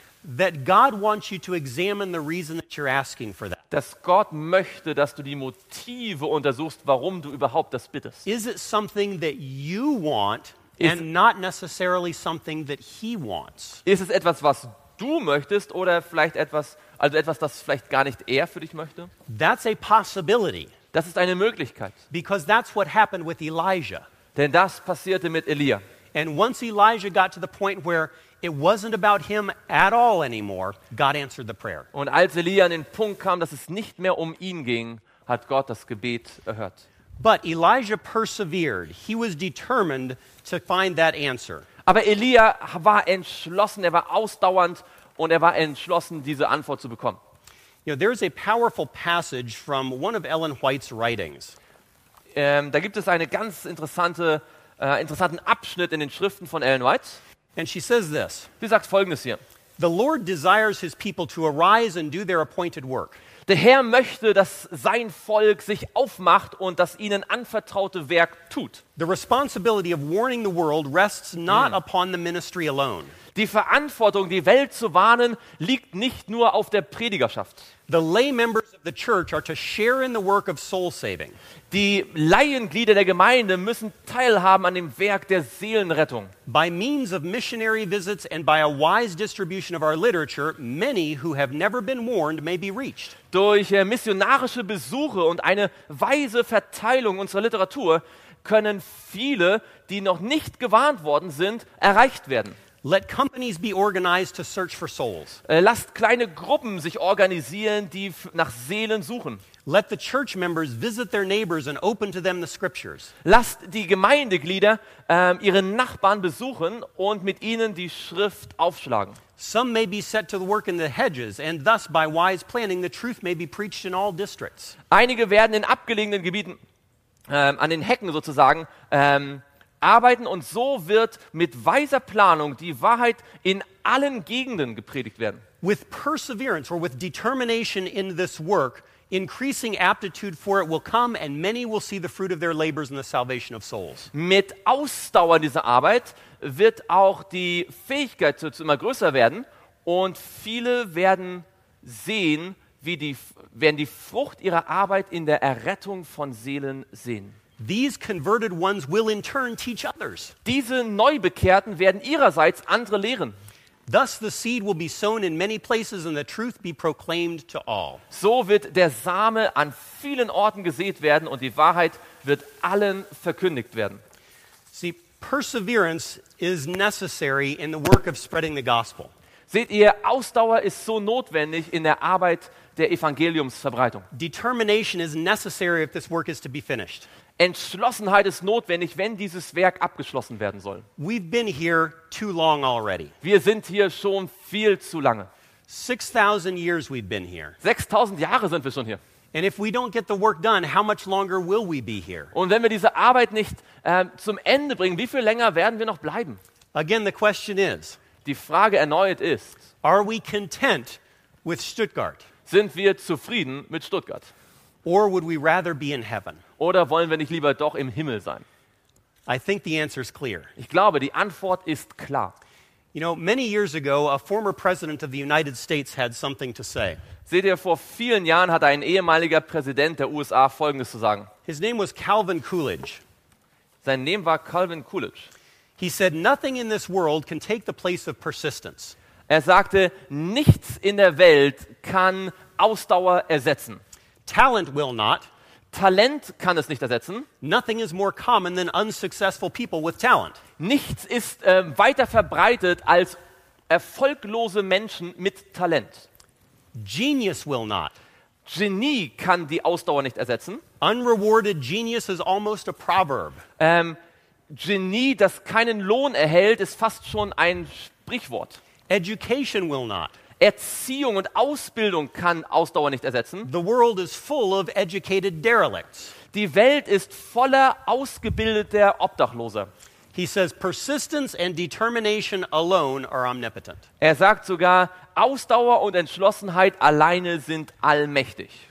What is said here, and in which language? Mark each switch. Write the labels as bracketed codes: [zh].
[en] That God wants you to examine the reason that you're asking for that. [de] Dass Gott möchte, dass du die Motive untersuchst, warum du überhaupt das bittest. [en] Is it something that you want and not necessarily something that he wants? [de] Ist es etwas, was du möchtest oder vielleicht etwas, also etwas, das vielleicht gar nicht er für dich möchte? [en] That's a possibility. [de] Das ist eine Möglichkeit. [en] Because that's what happened with Elijah. [de] Denn das passierte mit Elia. [en] And once Elijah got to the point where it wasn't about him at all anymore, God answered the prayer. [de] Und als Elia an den Punkt kam, dass es nicht mehr um ihn ging, hat Gott das Gebet erhört. [en] But Elijah persevered. He was determined to find that answer. [de] Aber Elia war entschlossen, er war ausdauernd und er war entschlossen, diese Antwort zu bekommen. [en] You know, there is a powerful passage from one of Ellen White's writings. [de] Da gibt es eine ganz interessanten Abschnitt in den Schriften von Ellen White. [en] And she says this. [de] Sie sagt Folgendes hier. [en] The Lord desires his people to arise and do their appointed work. [de] Der Herr möchte, dass sein Volk sich aufmacht und das ihnen anvertraute Werk tut. [en] The responsibility of warning the world rests not upon the ministry alone. [de] Die Verantwortung, die Welt zu warnen, liegt nicht nur auf der Predigerschaft. [en] The lay members of the church are to share in the work of soul saving. [de] Die Laienglieder der Gemeinde müssen teilhaben an dem Werk der Seelenrettung. [en] By means of missionary visits and by a wise distribution of our literature, many who have never been warned may be reached. [de] Durch missionarische Besuche und eine weise Verteilung unserer Literatur können viele, die noch nicht gewarnt worden sind, erreicht werden. [en] Let companies be organized to search for souls. [de] Lasst kleine Gruppen sich organisieren, die nach Seelen suchen. [en] Let the church members visit their neighbors and open to them the scriptures. [de] Lasst die Gemeindeglieder ihre Nachbarn besuchen und mit ihnen die Schrift aufschlagen. [en] Some may be set to work in the hedges, and thus by wise planning the truth may be preached in all districts. [de] Einige werden in abgelegenen Gebieten an den Hecken sozusagen arbeiten und so wird mit weiser Planung die Wahrheit in allen Gegenden gepredigt werden. [en] With perseverance or with determination in this work, increasing aptitude for it will come and many will see the fruit of their labors in the salvation of souls. [de] Mit Ausdauer in dieser Arbeit wird auch die Fähigkeit dazu immer größer werden und viele werden sehen, werden die Frucht ihrer Arbeit in der Errettung von Seelen sehen. [en] These converted ones will in turn teach others. [de] Diese Neubekehrten werden ihrerseits andere lehren. [en] Thus the seed will be sown in many places and the truth be proclaimed to all. [de] So wird der Same an vielen Orten gesät werden und die Wahrheit wird allen verkündigt werden. [en] See, perseverance is necessary in the work of spreading the gospel. [de] Seht ihr, Ausdauer ist so notwendig in der Arbeit der Evangeliumsverbreitung. [en] Determination is necessary if this work is to be finished. [de] Entschlossenheit ist notwendig, wenn dieses Werk abgeschlossen werden soll. [en] We've been here too long already. [de] Wir sind hier schon viel zu lange. [en] 6000 years we've been here. [de] 6000 Jahre sind wir schon hier. [en] And if we don't get the work done, how much longer will we be here? [de] Und wenn wir diese Arbeit nicht zum Ende bringen, wie viel länger werden wir noch bleiben? [en] Again the question is. [de] Die Frage erneut ist. [en] Are we content with Stuttgart? [de] Sind wir zufrieden mit Stuttgart? [en] Or would we rather be in heaven? [de] Oder wollen wir nicht lieber doch im Himmel sein? [en] I think the answer is clear. [de] Ich glaube, die Antwort ist klar. [en] You know, many years ago, a former president of the United States had something to say. [de] Seht ihr, vor vielen Jahren hatte ein ehemaliger Präsident der USA Folgendes zu sagen. [en] His name was Calvin Coolidge. [de] Sein Name war Calvin Coolidge. [en] He said, "Nothing in this world can take the place of persistence." [de] Er sagte, nichts in der Welt kann Ausdauer ersetzen. [en] Talent will not. [de] Talent kann es nicht ersetzen. [en] Nothing is more common than unsuccessful people with talent. [de] Nichts ist weiter verbreitet als erfolglose Menschen mit Talent. [en] Genius will not. [de] Genie kann die Ausdauer nicht ersetzen. [en] Unrewarded genius is almost a proverb. [de] Genie, das keinen Lohn erhält, ist fast schon ein Sprichwort. [en] Education will not. [de] Erziehung und Ausbildung kann Ausdauer nicht ersetzen. [en] The world is full of educated derelicts. [de] Die Welt ist voller ausgebildeter Obdachloser. [en] He says persistence and determination alone are omnipotent. [de] Er sagt sogar, Ausdauer und Entschlossenheit alleine sind allmächtig.